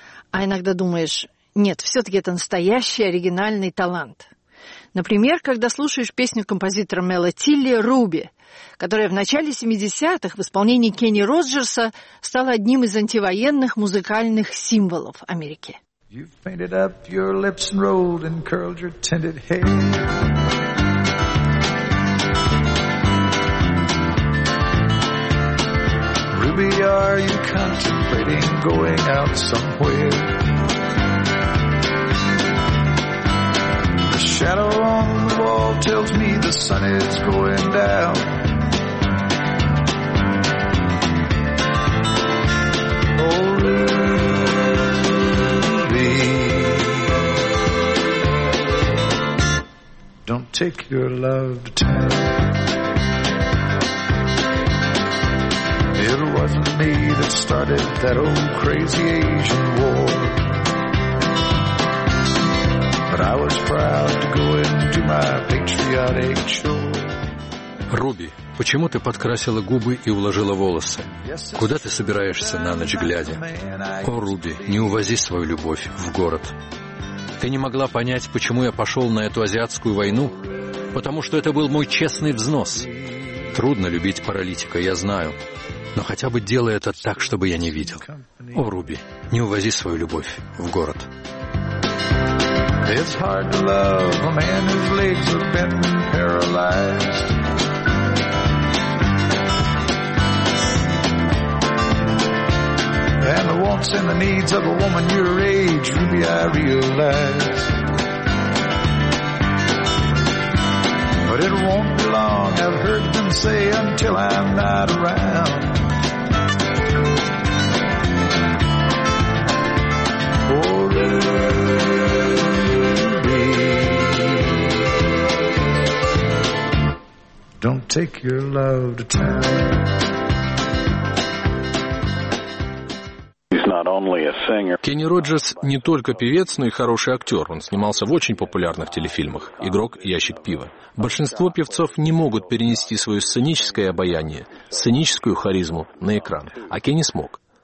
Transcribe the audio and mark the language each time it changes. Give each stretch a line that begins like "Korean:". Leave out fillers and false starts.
Russian: А иногда думаешь, нет, все-таки это настоящий оригинальный талант. Например, когда слушаешь песню композитора Мела Тилли «Руби», которая в начале 70-х в исполнении Кенни Роджерса стала одним из антивоенных музыкальных символов Америки.
English: You've painted up your lips and rolled and curled your tinted hair. Ruby, are you contemplating going out somewhere? The shadow on the wall tells me the sun is going down. Don't take your love to town. It wasn't me that started that old crazy Asian war, but I was proud to go into my patriotic shore.
Russian: Руби, почему ты подкрасила губы и уложила волосы? Куда ты собираешься на ночь глядя? О, Руби, не увози свою любовь в город. Ты не могла понять, почему я пошел на эту азиатскую войну? Потому что это был мой честный взнос. Трудно любить паралитика, я знаю. Но хотя бы делай это так, чтобы я не видел. О, Руби, не увози свою любовь в город.
English: It's hard to love a man whose legs have been paralyzed. And the wants and the needs of a woman your age, Ruby, I realize. But it won't be long, I've heard them say, until I'm not around. Oh, Ruby, don't take your love to town.
Russian: Кенни Роджерс не только певец, но и хороший актер. Он снимался в очень популярных телефильмах «Игрок и ящик пива». Большинство певцов не могут перенести свое сценическое обаяние, сценическую харизму на экран. А Кенни смог.